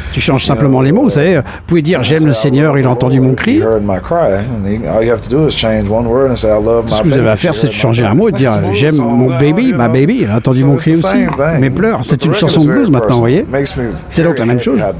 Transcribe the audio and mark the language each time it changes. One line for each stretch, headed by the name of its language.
French: Tu changes simplement les mots, c'est-à-dire, vous pouvez dire j'aime le Seigneur, il a entendu mon cri.
English: He heard my cry. And all you have to do is change one word and say I love my baby.
French: Ce que vous avez à faire, c'est de changer un mot et dire j'aime mon baby, ma baby, a entendu mon cri aussi. Mes pleurs, c'est une chanson de blues maintenant, voyez. C'est donc la même chose.